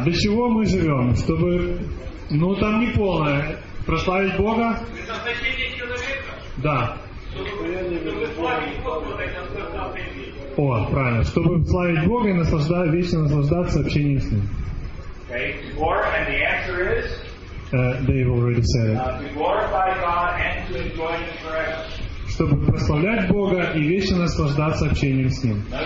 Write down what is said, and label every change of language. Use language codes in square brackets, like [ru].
[ru] Для чего мы живем? Чтобы... Ну, там не полное. Прославить Бога? Это спасение человека? Да. О, правильно. Чтобы славить Бога и вечно наслаждаться общением с Ним. [en] And the answer is? They've already said it. To glorify God and to enjoy Him forever. [ru] Чтобы прославлять Бога и вечно наслаждаться общением с Ним.